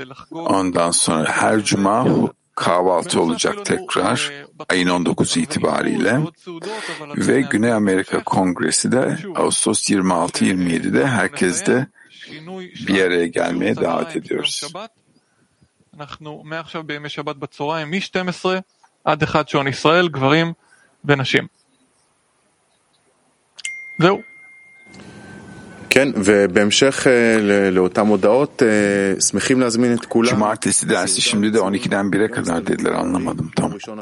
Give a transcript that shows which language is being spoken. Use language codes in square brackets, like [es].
[tr] Ondan sonra her cuma kahvaltı olacak tekrar ayın 19 itibariyle ve Güney Amerika Kongresi de Ağustos 26-27'de herkes de bir araya gelmeye davet ediyoruz. [he] אנחנו מעכשיו בימי שבת בצהריים מ-12 עד 1 שעון ישראל גברים ונשים. זהו. כן, ובהמשך לאותם הודעות, שמחים להזמין את כולם. [tr] Cumartesi dersi şimdi de 12'den 1'e kadar dediler, anlamadım tam.